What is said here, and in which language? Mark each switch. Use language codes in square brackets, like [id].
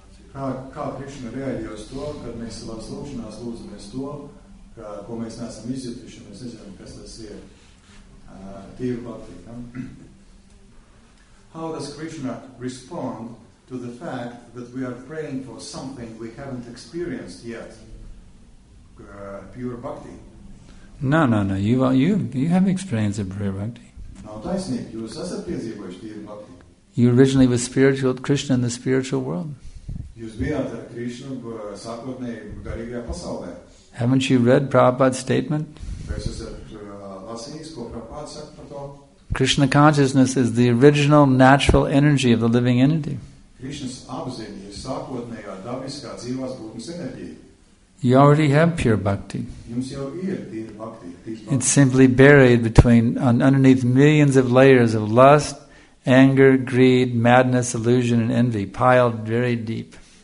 [lv] Kā Krišna reaģēja uz to, kad mēs savā slūkšanās lūdzamies to, ka, ko mēs neesam izjutuši, un mēs nezinām, kas tas ir tīva bhakti. Ja? [en] How does Krishna respond to the fact that we are praying for something we haven't experienced yet? Pure bhakti? No. You have experienced pure bhakti. [lv] Nav taisnība. Jūs esat piedzīvojuši tīva bhakti. [en] You originally were spiritual Krishna in the spiritual world. [lv] Jūs bijāt ar Krišnu sākotnēji garīgajā pasaulē. [en] Haven't you read Prabhupāda's statement? [lv] Vai esat lasījis, ko Prabhupāda saka par to? [en] Krishna consciousness is the original natural energy of the living entity. [lv] Krišnas apziņa ir sākotnējā dabiskā dzīvās būtnes enerģija. [en] You already have pure bhakti. [lv] Jums jau ir tīra bhakti. [en] It's simply buried between underneath millions of layers of lust, anger, greed, madness, illusion, and envy, piled very deep.